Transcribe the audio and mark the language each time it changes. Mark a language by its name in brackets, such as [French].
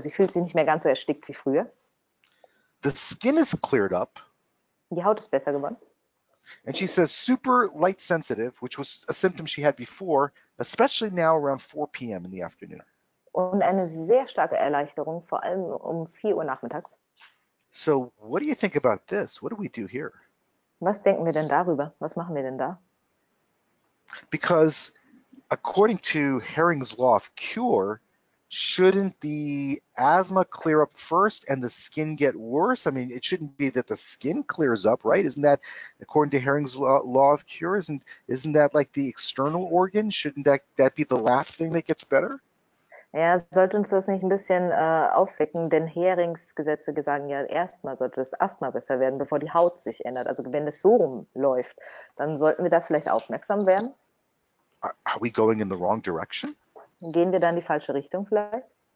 [German] Sie fühlt sich nicht mehr ganz so erstickt wie früher. [English] The skin is cleared up. [German] Die Haut ist besser geworden. [English] And she says, super light sensitive, which was a symptom she had before, especially now around 4 p.m. in the afternoon. [German] Und eine sehr starke Erleichterung, vor allem um 4 Uhr nachmittags. [English] So what do you think about this? What do we do here? [German] Was denken wir denn darüber? Was machen wir denn da? [English] Because according to Herring's law of cure, shouldn't the asthma clear up first and the skin get worse? I mean, it shouldn't be that the skin clears up, right? Isn't that, according to Herring's law of cure, isn't that like the external organ? Shouldn't that be the last thing that gets better? [German] Ja, sollte uns das nicht ein bisschen aufwecken? Denn Heringsgesetze sagen ja, erstmal sollte das Asthma besser werden, bevor die Haut sich ändert. Also wenn es so rumläuft, dann sollten wir da vielleicht aufmerksam werden. [English] Are we going in the wrong direction? [German] Gehen wir dann in die falsche Richtung vielleicht?